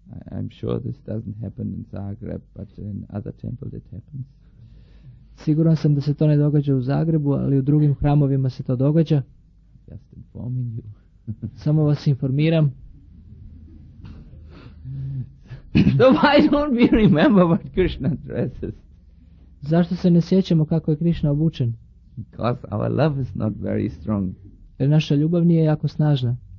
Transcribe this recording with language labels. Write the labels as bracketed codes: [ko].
[en] I'm sure this doesn't happen in Zagreb, but in other temples it happens. [hr] Siguran sam da se to ne događa u Zagrebu, ali u drugim hramovima se to događa. [en] Just informing you. [hr] Samo vas informiram. [en] So why don't we remember what Krishna dresses? [hr] Zašto se ne sjećamo kako je Krishna obučen? [en] Because our love is not very strong. [hr] Jer naša ljubav nije jako snažna.